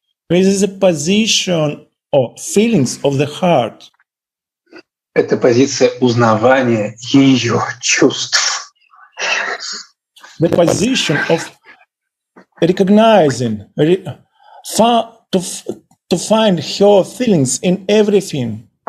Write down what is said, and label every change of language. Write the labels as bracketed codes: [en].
[en] This is a position or feelings of the heart. [ru] Это позиция узнавания ее чувств. [en] The position of recognizing, to find her feelings in everything.